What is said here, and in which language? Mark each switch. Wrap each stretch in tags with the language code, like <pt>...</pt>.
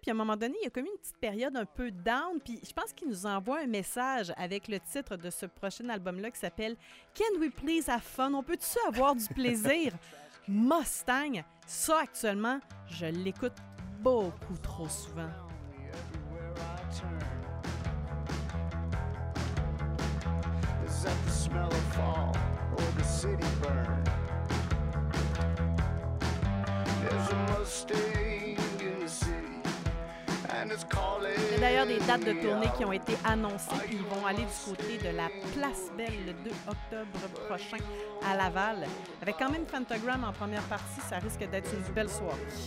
<fr>Puis à un moment donné, il a commis une petite période un peu down. Puis je pense qu'il nous envoie un message avec le titre de ce prochain album-là qui s'appelle « Can we please have fun? » On peut-tu avoir du plaisir? Mustang, ça actuellement, je l'écoute beaucoup trop souvent.</fr> <en>Is that the smell of fall? Or the city burn? There's a Mustang in the city, and it's calling.</en> <fr>Il y a d'ailleurs des dates de tournée qui ont été annoncées, puis ils vont aller du côté de la Place Belle le 2 octobre prochain à Laval. Avec quand même Fantagram en première partie, ça risque d'être une belle soirée.</fr>